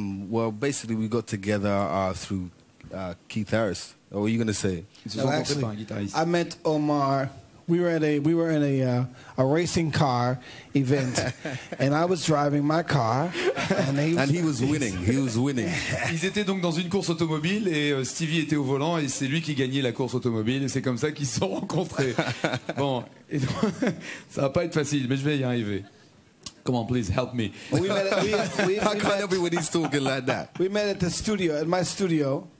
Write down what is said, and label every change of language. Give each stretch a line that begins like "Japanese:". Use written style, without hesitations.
English: Well, basically we got together through Keith Harris. What were you going to say? No, actually, I met Omar. We were in a racing car event, and I was driving my car, and he was winning.
French: Ils étaient donc dans une course automobile et Stevie était au volant et c'est lui qui gagnait la course automobile et c'est comme ça qu'ils se sont rencontrés. Bon, et donc, ça va pas être facile, mais je vais y arriver.
English: Come on, please help me. Everybody's talking like that. We met at the studio, at my studio.